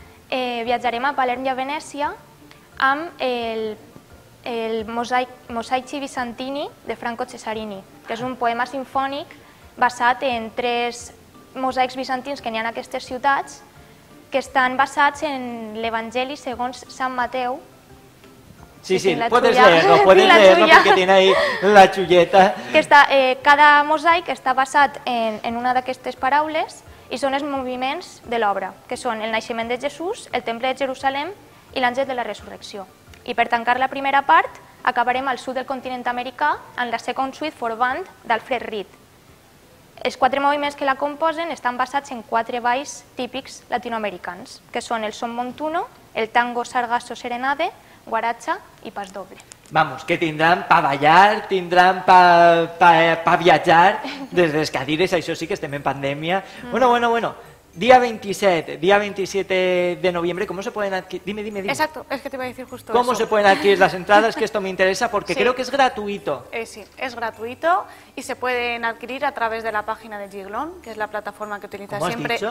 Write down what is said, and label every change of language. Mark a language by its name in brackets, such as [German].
[Catalan] Viatjarem a Palerm i a Venècia amb el Mosaici Bizantini de Franco Cesarini, que és un poema sinfònic basat en tres mosaics bizantins que n'hi ha en aquestes ciutats, que estan basats en l'Evangeli segons Sant Mateu. [Spanish] Sí, sí, puedes leerlo, puedes leerlo porque tiene ahí la chulleta. Que está, [Catalan] cada mosaic està basat en una d'aquestes paraules i són els moviments de l'obra, que són el naixement de Jesús, el temple de Jerusalem i l'àngel de la resurrecció. I per tancar la primera part, acabarem al sud del continent americà en la Second Suite for Band d'Alfred Reed. Els quatre moviments que la composen estan basats en quatre balls típics latinoamericans, que són el son montuno, el tango sargasso serenade, guaracha i pas doble. Vamos, que tindran pa ballar, tindran pa viatjar, des de les cadires, això sí que estem en pandèmia. [Spanish] Bueno, día 27 de noviembre, ¿cómo se pueden adquirir? Dime. Exacto, es que te iba a decir justo ¿cómo eso? Se pueden adquirir las entradas? Que esto me interesa porque sí. Creo que es gratuito. Sí, es gratuito y se pueden adquirir a través de la página de Giglón, que es la plataforma que utiliza siempre.